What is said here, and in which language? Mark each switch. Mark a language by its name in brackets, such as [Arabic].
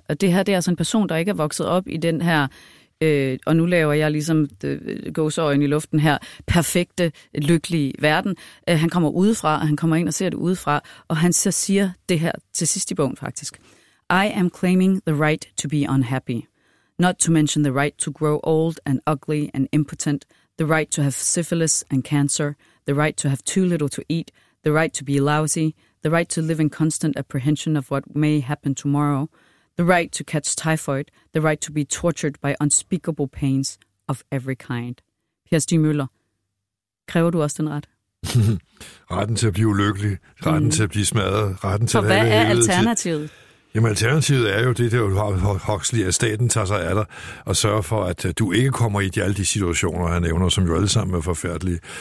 [Danish] Og det her, det er altså en person, der ikke er vokset op i den her og nu laver jeg ligesom gåseøjne i luften her, perfekte, lykkelige verden. Han kommer udefra, og han kommer ind og ser det udefra, og han så siger det her til sidst i bogen faktisk. [English] I am claiming the right to be unhappy. Not to mention the right to grow old and ugly and impotent. The right to have syphilis and cancer. The right to have too little to eat. The right to be lousy. The right to live in constant apprehension of what may happen tomorrow. The right to catch typhoid, the right to be tortured by unspeakable pains of every kind. [Danish] Per Stig Møller, kræver du også den ret? Retten til at blive ulykkelig, retten til at blive smadret, retten til for at have hvad er alternativet? Tid. Jamen alternativet er jo det, der jo Huxley, at staten tager sig af dig og sørger for, at du ikke kommer i alle de situationer, han nævner, som jo alle sammen er forfærdelige.